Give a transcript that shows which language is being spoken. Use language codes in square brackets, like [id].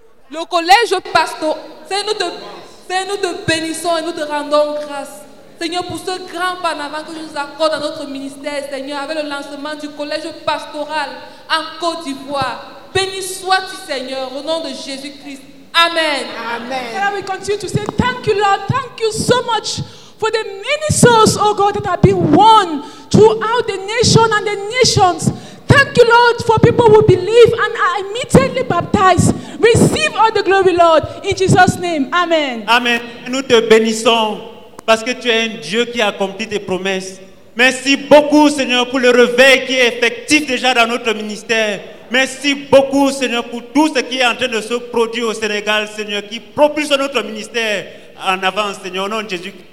[fr] Le Collège pastoral, Seigneur, te bénissons et nous te rendons grâce. Seigneur, pour ce grand pas en avant que tu nous accordes à notre ministère, Seigneur, avec le lancement du Collège pastoral en Côte d'Ivoire. Béni sois-tu, Seigneur, au nom de Jésus-Christ. Amen. Amen. [en] And we continue to say, thank you, Lord. Thank you so much for the many souls, oh God, that have been won throughout the nation and the nations. Thank you, Lord, for people who believe and are immediately baptized. Receive all the glory, Lord, in Jesus' name. Amen. Amen. [fr] Nous te bénissons parce que tu es un Dieu qui accomplit tes promesses. Merci beaucoup, Seigneur, pour le réveil qui est effectif déjà dans notre ministère. Merci beaucoup, Seigneur, pour tout ce qui est en train de se produire au Sénégal, Seigneur, qui propulse notre ministère en avant, Seigneur, au nom de Jésus.